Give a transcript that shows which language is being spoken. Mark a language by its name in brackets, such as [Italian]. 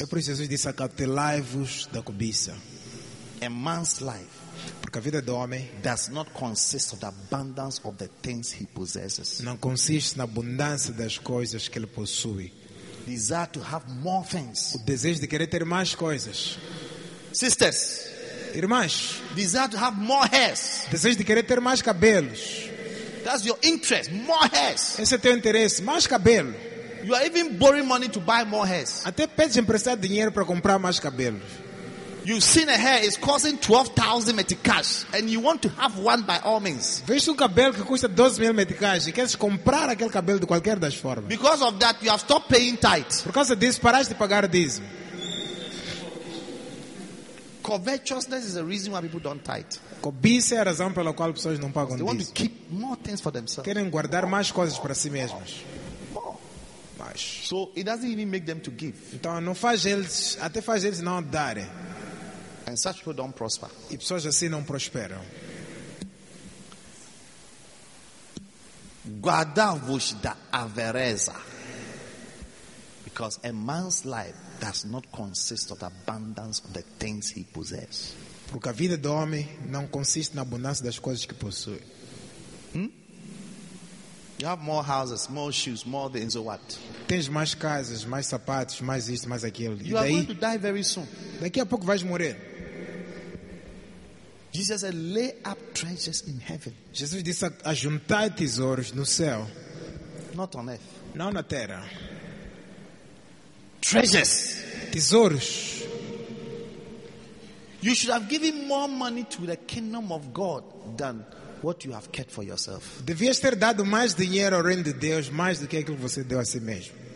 [Portuguese] É por isso que Jesus disse: acautelai-vos da cobiça. [English] A man's life. [Portuguese] Porque a vida do homem [English] does not consist of the abundance of the things he possesses. [Portuguese] Não consiste na abundância das coisas que ele possui. [English] Desire to have more things. [Portuguese] O desejo de querer ter mais coisas. [English] Sisters, [Portuguese] irmãs, [English] desire to have more hairs. [Portuguese] Desejo de querer ter mais cabelos. [English] That's your interest, more hairs. [Portuguese] Esse é teu interesse, mais cabelo. [English] You are even borrowing money to buy more hairs. [Portuguese] Até pedes emprestado dinheiro para comprar mais cabelos. [English] You've seen a hair is costing 12,000 meticais and you want to have one by all means. [Portuguese] Vejo um cabelo que custa 12,000 meticais e queres comprar aquele cabelo de qualquer das formas. [English] Because of that you have stopped paying tithe. [Portuguese] Por causa disso paraste de pagar dízimo. [English] Covetousness is the reason why people don't tithe. [Portuguese] Cobiça é a razão pela qual pessoas não pagam dízimo. [English] They want to keep more things for themselves. [Portuguese] Querem guardar mais coisas para si mesmos. [English] Mais. So it doesn't even make them to give. [Portuguese] Então não faz eles, até faz eles não darem. [English] And such people don't prosper. [Portuguese] E pessoas assim não prosperam. Guardai-vos da avareza. [English] Because a man's life does not consist of the abundance of the things he possesses. [Portuguese] Porque a vida do homem não consiste na abundância das coisas que possui. [English] You have more houses, more shoes, more things or what? [Portuguese] Tens mais casas, mais sapatos, mais isto, mais aquilo. [English] You are going to die very soon. [Portuguese] Daqui a pouco vais morrer. [English] Jesus said, "Lay up treasures in heaven." [Portuguese] Jesus disse, "Ajuntai tesouros no céu." [English] Not on earth. [Portuguese] Não na terra. [English] Treasures, [Portuguese] tesouros. [English] You should have given more money to the kingdom of God than what you have kept for yourself. [Portuguese] Devias ter dado mais dinheiro ao reino de Deus, mais do que aquilo que você deu a si mesmo.